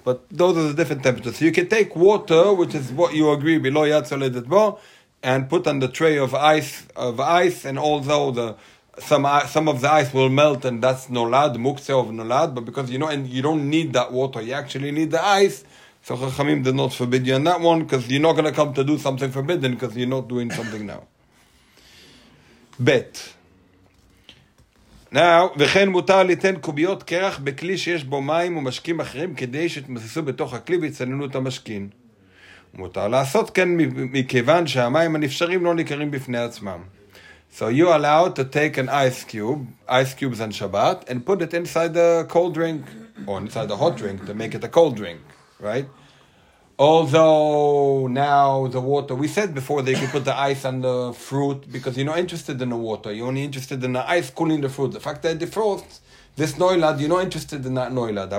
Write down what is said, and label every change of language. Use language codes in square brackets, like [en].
[en] But those are the different temperatures. So you can take water, which is what you agree below Yad Soledet Bo, and put on the tray of ice, and although some of the ice will melt, and that's nolad, mukse of nolad, but because you know, and you don't need that water, you actually need the ice, so Chachamim did not forbid you on that one, because you're not going to come to do something forbidden, because you're not doing something now. Bet. [he] Now, וכן מותר ליתן קוביות קרח בכלי שיש בו מים ומשקים אחרים, כדי שתמססו בתוך הכלי ויצננו את המשקין. מותר לעשות כן מכיוון שהמים הנפשרים לא ניכרים בפני עצמם. [en] So you allowed to take an ice cube, ice cubes on Shabbat, and put it inside the cold drink, or inside the hot drink, to make it a cold drink, right? Although now the water, we said before that you could put the ice on the fruit, because you're not interested in the water, you're only interested in the ice cooling the fruit. The fact that it defrosts, this noilad, you're not interested in that noilad.